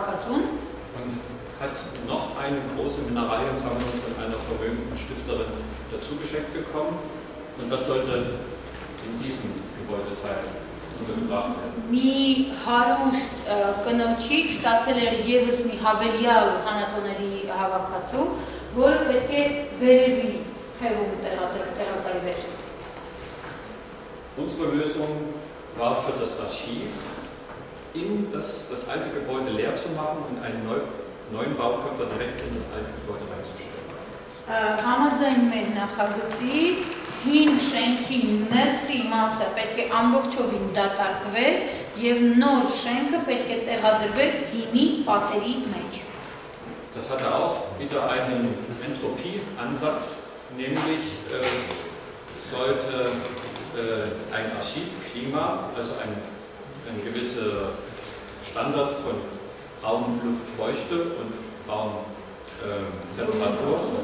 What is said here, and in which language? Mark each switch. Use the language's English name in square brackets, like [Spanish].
[German] Und hat noch eine große Mineraliensammlung von einer verrühmten Stifterin dazu geschenkt bekommen. Und das sollte in diesem Gebäudeteil [Armenian] մի հարուստ կնոջից ստացել էր ևս մի հավելյալ հանածոների հավաքածու, որը պետք է վերևի թևում տեղադրվեր։ [German] Unsere Lösung war für das Archiv, in das alte Gebäude leer zu machen und einen neuen Baukörper direkt in das alte Gebäude reinzustellen. [Armenian] Համաձայն մեր նախագծի հին շենքի ներսի մասը պետք է ամբողջովին դատարկվեր և նոր շենքը պետք է տեղադրվեր հինի պատերի մեջ։ [German] Das hatte auch wieder einen Entropieansatz, nämlich sollte ein Archivklima, also ein gewisser Standard von Raumluftfeuchte und Raumtemperatur.